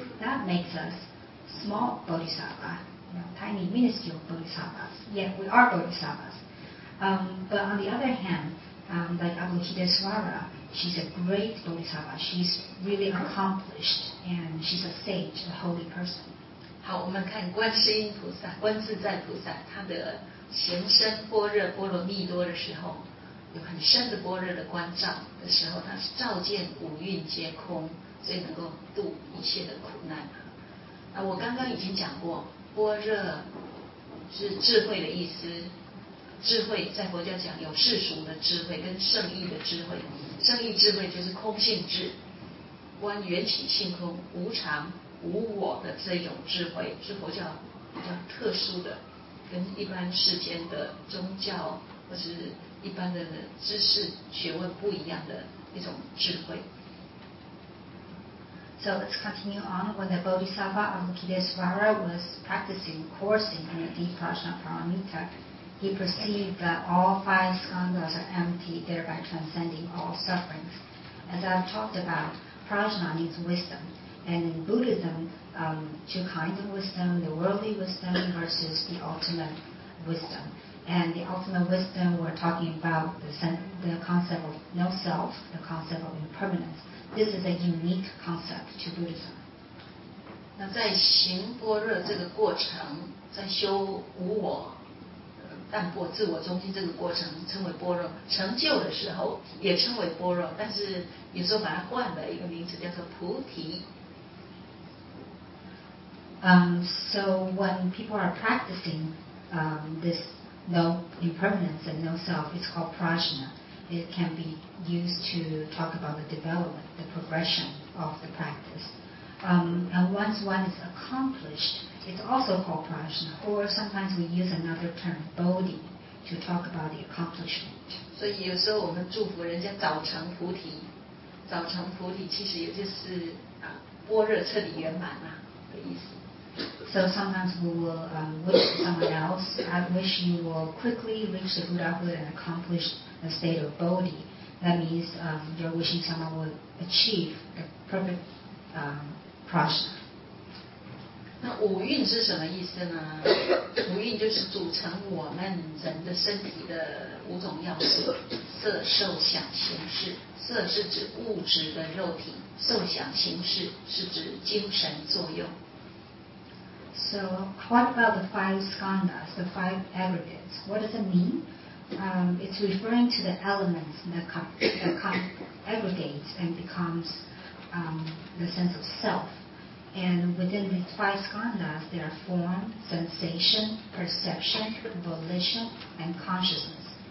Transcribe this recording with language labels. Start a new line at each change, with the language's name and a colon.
English: That makes us small Bodhisattva, tiny, minuscule Bodhisattvas. Yet we are Bodhisattvas. But on the other hand, like Avalokiteshvara, she's a great Bodhisattva. She's really accomplished, and she's a sage, a holy person.
Chinese: 好，我们看观世音菩萨、观自在菩萨，他的行深般若波罗蜜多的时候，有很深的般若的观照的时候，他是照见五蕴皆空，所以能够度一切的苦难。那我刚刚已经讲过，般若是智慧的意思，智慧在佛教讲有世俗的智慧跟圣意的智慧，圣意智慧就是空性智，观缘起性空、无常。无我的这种智慧是佛教比较特殊的跟一般世间的宗教或是一般的知识学问不一样的一种智慧
English: So let's continue on when the Bodhisattva Avalokiteshvara was practicing coursing in the deep prajna paramita He perceived that all five skandhas are empty, thereby transcending all sufferings. As I've talked about, prajna means wisdom. And in Buddhism, two kinds of wisdom, the worldly wisdom versus the ultimate wisdom. And the ultimate wisdom, we're talking about the concept of no self, the concept of impermanence. This is a unique concept to Buddhism.
Chinese: 那在行般若这个过程，在修无我、淡泊自我中心这个过程，称为般若。成就的时候也称为般若，但是有时候把它换了一个名字，叫做菩提。
English: So when people are practicing this no impermanence and no self, it's called prajna. It can be used to talk about the development, the progression of the practice. And once one is accomplished, it's also called prajna. Or sometimes we use another term, bodhi, to talk about the accomplishment.
Chinese: 所以有时候我们祝福人家早成菩提，早成菩提其实也就是般若彻底圆满嘛的意思。
English: So sometimes we will wish someone else, I wish you will quickly reach the Buddhahood and accomplish the state of Bodhi. That means you're wishing someone will achieve the perfect prajna.
Chinese: 那五蕴是什么意思呢？五蕴就是组成我们人的身体的五种要素，色、受、想、行、识。色是指物质的肉体，受、想、行、识是指精神作用。
English: So what about the five skandhas, the five aggregates? What does it mean? It's referring to the elements that come aggregates and becomes the sense of self. And within these five skandhas, there are form, sensation, perception, volition, and consciousness.